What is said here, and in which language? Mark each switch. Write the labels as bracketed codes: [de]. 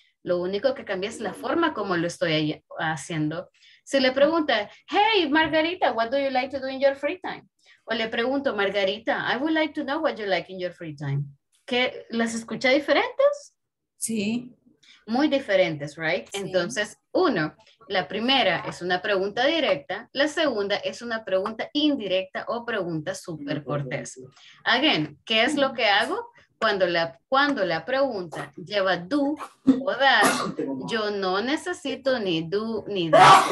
[es] Lo único que cambia es la forma como lo estoy haciendo. Si le pregunta, [en] hey, Margarita, what do you like to do in your free time? [es] O le pregunto, [en] Margarita, I would like to know what you like in your free time. [es] ¿Qué, las escucha diferentes? Sí. Muy diferentes, right? Sí. Entonces, uno, la primera es una pregunta directa, la segunda es una pregunta indirecta o pregunta súper cortés. Again, ¿qué es lo que hago? Cuando la pregunta lleva do o that, yo no necesito ni do ni that.